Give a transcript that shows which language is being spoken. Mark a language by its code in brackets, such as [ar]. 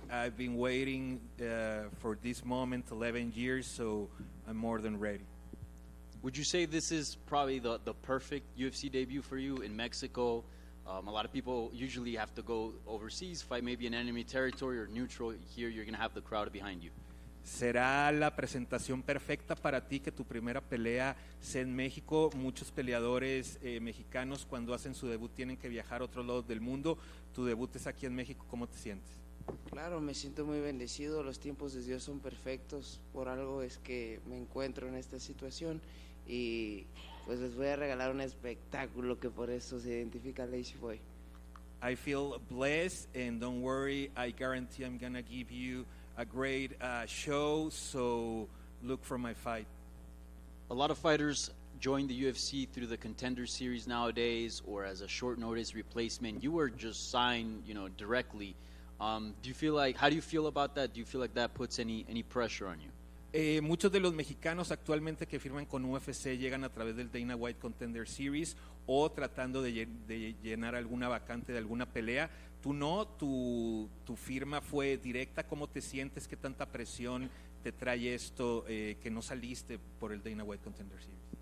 [en] I've been waiting for this moment 11 years, so I'm more than ready. Would you say this is probably the perfect UFC debut for you in Mexico? A lot of people usually have to go overseas, fight maybe in enemy territory or neutral. Here you're going to have the crowd behind you. [es] ¿Será la presentación perfecta para ti que tu primera pelea sea en México? Muchos peleadores mexicanos cuando hacen su debut tienen que viajar a otro lado del mundo. Tu debut es aquí en México. ¿Cómo te sientes? Claro, me siento muy bendecido. Los tiempos de Dios son perfectos. Por algo es que me encuentro en esta situación. Y pues les voy a regalar un espectáculo que por eso se identifica a Lazy Boy. [en] I feel blessed and don't worry. I guarantee I'm going to give you a great show. So look for my fight. A lot of fighters join the UFC through the Contender Series nowadays or as a short notice replacement. You were just signed, you know, directly. How do you feel about that? Do you feel like that puts any pressure on you? [es] Muchos de los mexicanos actualmente que firman con UFC llegan a través del Dana White Contender Series o tratando de llenar alguna vacante de alguna pelea. Tú no, tu firma fue directa. ¿Cómo te sientes? ¿Qué tanta presión te trae esto que no saliste por el Dana White Contender Series?